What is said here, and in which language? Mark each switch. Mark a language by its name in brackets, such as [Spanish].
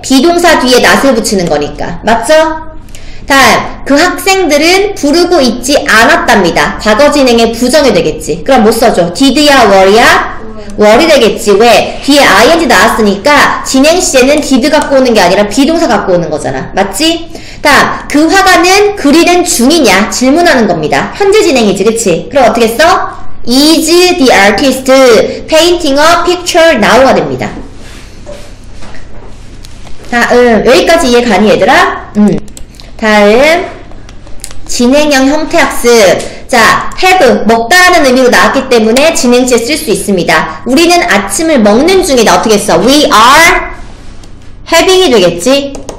[Korean] 비동사 뒤에 not을 붙이는 거니까. 맞죠? 다음, 그 학생들은 부르고 있지 않았답니다. 과거 진행의 부정이 되겠지. 그럼 뭐 써줘? did야, were야? were 되겠지. 왜? 뒤에 ing 나왔으니까 진행 시제는 did 갖고 오는 게 아니라 비동사 갖고 오는 거잖아. 맞지? 다음, 그 화가는 그리는 중이냐? 질문하는 겁니다. 현재 진행이지. 그치? 그럼 어떻게 써? [English] is the artist painting a picture now [Korean] 가 됩니다. 다음, 여기까지 이해 가니 얘들아? 다음, 진행형 형태학습. 자, have, 먹다라는 의미로 나왔기 때문에 진행시에 쓸 수 있습니다. 우리는 아침을 먹는 중이다. 어떻게 써? [English] We are having [Korean] 이 되겠지?